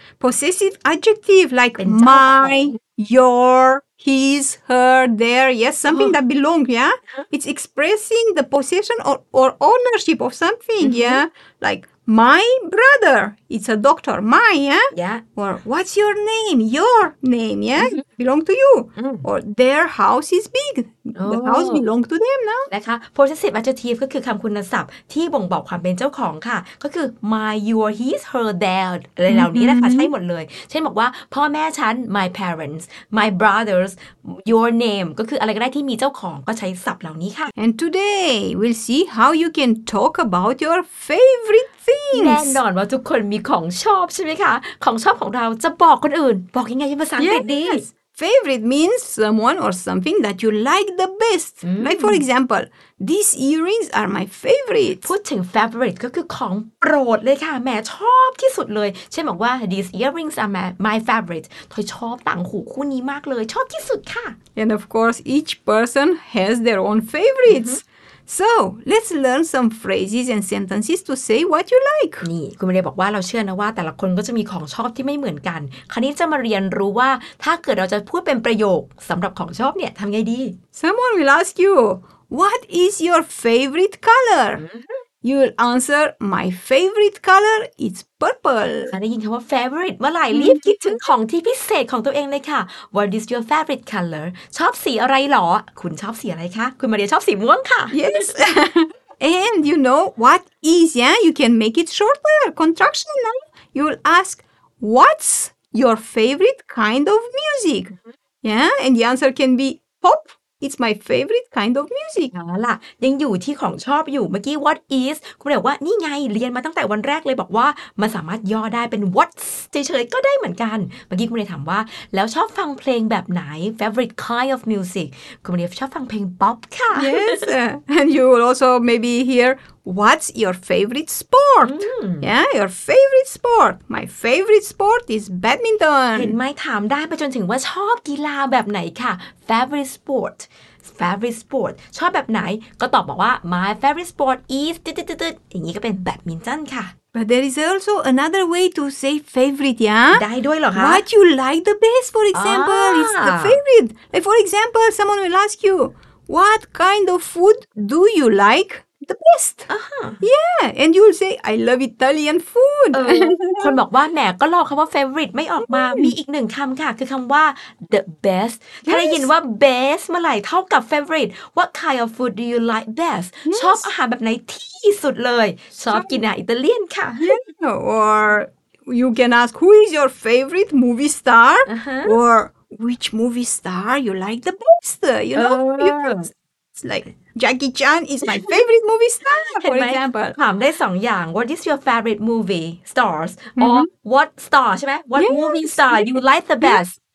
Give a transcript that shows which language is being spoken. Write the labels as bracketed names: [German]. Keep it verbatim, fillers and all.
[English] possessive adjective like my your his her their yes something oh. that belong yeah uh-huh. it's expressing the possession or, or ownership of something mm-hmm. yeah like my brother it's a doctor my yeah, yeah. or what's your name your name yeah mm-hmm. belong to you mm. or their house is big oh. the house belong to them นะ [Thai] นะคะ possessive adjective ก็คือคำคุณศัพท์ที่บ่งบอกความเป็นเจ้าของค่ะก็คือ [English] my your his her their [Thai] อะไรเหล่านี้นะคะใช้หมดเลยเช่นบอกว่าพ่อแม่ฉัน [English] my parents my brothers [Thai] your name ก็คืออะไรก็ได้ที่มีเจ้าของก็ใช้ศัพท์เหล่านี้ค่ะ [English] and today we'll see how you can talk about your favorite things [Thai] แน่นอนว่าทุกคนมีของชอบใช่ไหมคะของชอบของเราจะบอกคนอื่นบอกยังไงเป็นภาษาอังกฤษดี [English] Favorite means someone or something that you like the best. Mm. Like for example, these earrings are my favorite. [Thai] พูดถึง favorite ก็คือของโปรดเลยค่ะแม่ชอบที่สุดเลยเช่นบอกว่า [English] these earrings are my, my favorite. [Thai] ทอยชอบต่างหูคู่นี้มากเลยชอบที่สุดค่ะ [English] And of course, each person has their own favorites. Mm-hmm. So, let's learn some phrases and sentences to say what you like. [Thai] นี่คุณเมย์บอกว่าเราเชื่อนะว่าแต่ละคนก็จะมีของชอบที่ไม่เหมือนกันคราวนี้จะมาเรียนรู้ว่าถ้าเกิดเราจะพูดเป็นประโยคสำหรับของชอบเนี่ยทำไงดี [English] Someone will ask you, what is your favorite color? Mm-hmm. You will answer, my favorite color is purple. [Thai] ได้ยินคำว่า favorite เมื่อไหร่รีบคิดถึงของที่พิเศษของตัวเองเลยค่ะ [English] What is your favorite color? [Thai] ชอบสีอะไรหรอคุณชอบสีอะไรคะคุณมาเรียชอบสีม่วงค่ะ [English] Yes. And you know what is yeah you can make it shorter contraction now. You will ask what's your favorite kind of music? Yeah, and the answer can be pop. It's my favorite kind of music. [Thai] เอาล่ะยังอยู่ที่ของชอบอยู่เมื่อกี้ what is คุณบอกว่านี่ไงเรียนมาตั้งแต่วันแรกเลยบอกว่ามันสามารถย่อได้เป็น what เฉยๆก็ได้เหมือนกันเมื่อกี้คุณเลยถามว่าแล้วชอบฟังเพลงแบบไหน [English] favorite kind of music [Thai] คุณเลยชอบฟังเพลง pop ค่ะ [English] Yes and you will also maybe hear what's your favorite sport mm. Yeah your favorite sport my favorite sport is badminton [Thai] เห็นไหมถามได้ไปจนถึงว่าชอบกีฬาแบบไหนค่ะ favorite sport favorite sport ชอบแบบไหนก็ตอบบอกว่า [English] my favorite sport is [Thai] ตึ๊ดๆๆอย่างนี้ก็เป็นแบดมินตันค่ะ [English] But there is also another way to say favorite yeah [Thai] ได้ด้วยเหรอคะ [English] What you like the best for example ah. is the favorite like for example someone will ask you what kind of food do you like the best uh-huh. yeah and you will say I love Italian food [Thai] เออ คนบอกว่าแหมก็ลอกคำว่า favorite ไม่ออกมา มีอีกหนึ่งคำค่ะคือคำว่า the best yes. ถ้าได้ยินว่า best เมื่อไหร่เท่ากับ favorite [English] what kind of food do you like best yes. [Thai] ชอบอาหารแบบไหนที่สุดเลยชอบกินอาหารอิตาเลียนค่ะ [English] yeah. or you can ask who is your favorite movie star uh-huh. or which movie star you like the best you know uh. you like Jackie Chan is my favorite movie star for example [Thai] ถามได้สองอย่าง [English] What is your favorite movie stars or what star [Thai] ใช่ไหม [English] What movie star you like the best